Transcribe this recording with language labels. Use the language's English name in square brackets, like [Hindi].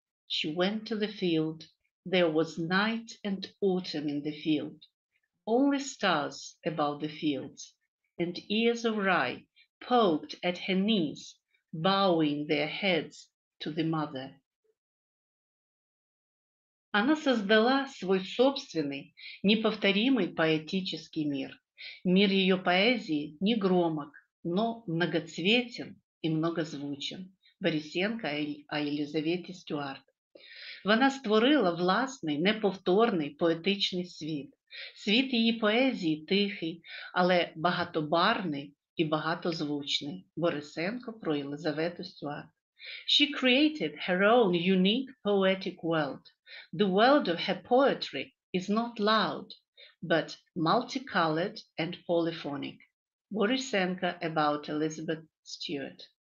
[English] She went to the field. There was night and autumn in the field, only stars about the fields, and ears of rye poked at her knees, bowing their heads to the mother. [Russian] Она создала свой собственный, неповторимый поэтический мир. Мир ее поэзии не громок, но многоцветен и многозвучен. Борисенко о Елизавете Стюарт. [Ukrainian] Вона створила власний, неповторний поетичний світ. Світ її поезії тихий, але багатобарний і багатозвучний. Борисенко про Єлизавету Стюарт. [English] She created her own unique poetic world. The world of her poetry is not loud, but multicolored and polyphonic. Борисенко about Elizabeth Stuart.